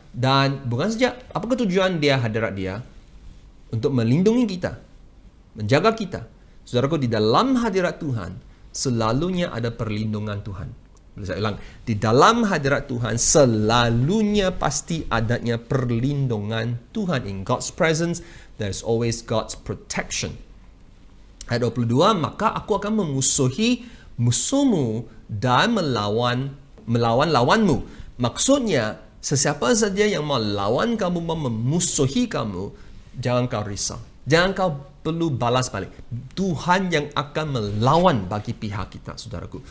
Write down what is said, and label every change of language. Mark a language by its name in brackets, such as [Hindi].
[Malay] Dan bukan saja, apakah tujuan dia hadirat dia? Untuk melindungi kita, menjaga kita. Saudaraku, di dalam hadirat Tuhan, selalunya ada perlindungan Tuhan. Boleh saya ulang? Di dalam hadirat Tuhan, selalunya pasti adanya perlindungan Tuhan. [English] In God's presence, there's always God's protection. [Malay] Ayat 22, maka aku akan memusuhi musuhmu dan melawan lawanmu. Maksudnya, sesiapa saja yang melawan kamu, memusuhi kamu, jangan kau risau. Jangan kau perlu balas balik. Tuhan yang akan melawan bagi pihak kita, saudaraku.